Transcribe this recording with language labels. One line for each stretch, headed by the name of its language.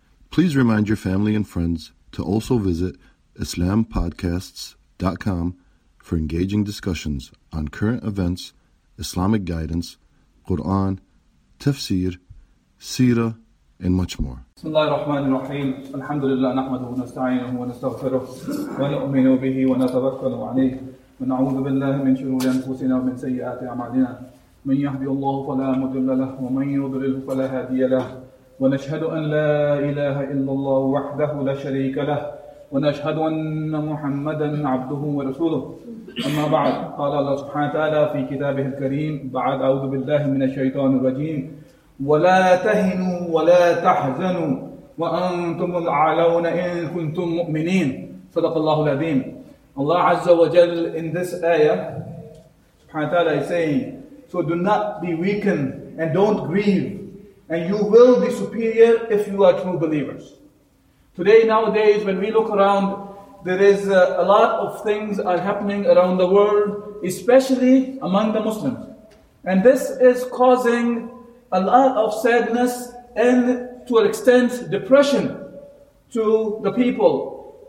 English: Please remind your family and friends to also visit IslamPodcasts.com for engaging discussions on current events, Islamic guidance, Quran, tafsir, seerah, and much more.
Arabic: بسم الله الرحمن الرحيم الحمد لله نحمده ونستعينه ونستغفره ونؤمن به ونتوكل عليه ونعوذ بالله من شرور انفسنا ومن سيئات اعمالنا من يهده الله فلا مضل له ومن يضلل فلا هادي له ونشهد ان لا اله الا الله وحده لا شريك له ونشهد ان محمدا عبده ورسوله اما بعد قال الله سبحانه وتعالى في كتابه الكريم بعد اعوذ بالله من الشيطان الرجيم ولا تهنوا ولا تحزنوا وأنتم الأعلون إن كنتم مؤمنين صدق الله العظيم.
English: Allah Azza wa Jal in this ayah subhanahu wa ta'ala is saying, so do not be weakened and don't grieve, and you will be superior if you are true believers. Today, nowadays, when we look around, there is a lot of things are happening around the world, especially among the Muslims, and this is causing a lot of sadness and, to an extent, depression to the people.